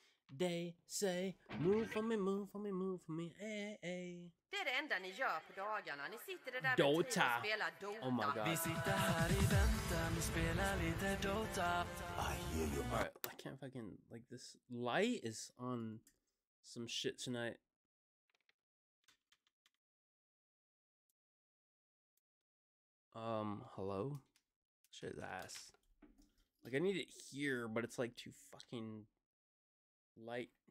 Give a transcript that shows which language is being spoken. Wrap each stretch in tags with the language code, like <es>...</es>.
<en>They say, move for me, move for me, move for me, ay, ay.</en> <sv>Det är det enda ni gör på dagarna. Ni sitter där Dota. Och spelar Dota.</sv> <en>Oh my god.</en> <sv>Vi sitter här i väntan och spelar lite Dota.</sv> <en>I hear you. All right, I can't fucking, like, this light is on some shit tonight. Hello? Shit ass. Like, I need it here, but it's, like, too fucking light.</en>